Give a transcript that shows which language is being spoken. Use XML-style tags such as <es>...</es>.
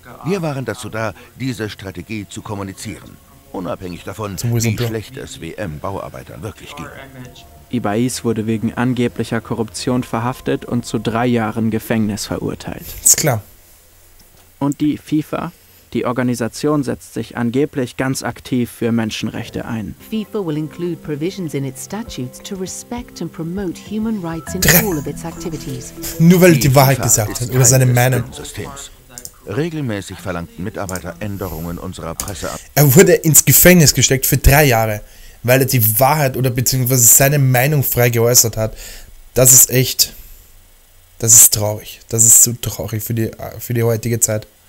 <de>Wir waren dazu da, diese Strategie zu kommunizieren. Unabhängig davon, wie schlecht es WM-Bauarbeitern wirklich ging. Ibahis wurde wegen angeblicher Korruption verhaftet und zu 3 Jahren Gefängnis verurteilt. Ist klar. Und die FIFA? Die Organisation setzt sich angeblich ganz aktiv für Menschenrechte ein.</de> <en>FIFA will include provisions in its statutes to respect and promote human rights in all of its activities.</en> <de>Nur weil die Wahrheit gesagt hat über seine Männer. Regelmäßig verlangten Mitarbeiter Änderungen unserer Presse ab. Er wurde ins Gefängnis gesteckt für 3 Jahre, weil er die Wahrheit oder beziehungsweise seine Meinung frei geäußert hat. Das ist echt, das ist traurig. Das ist so traurig für die heutige Zeit.</de>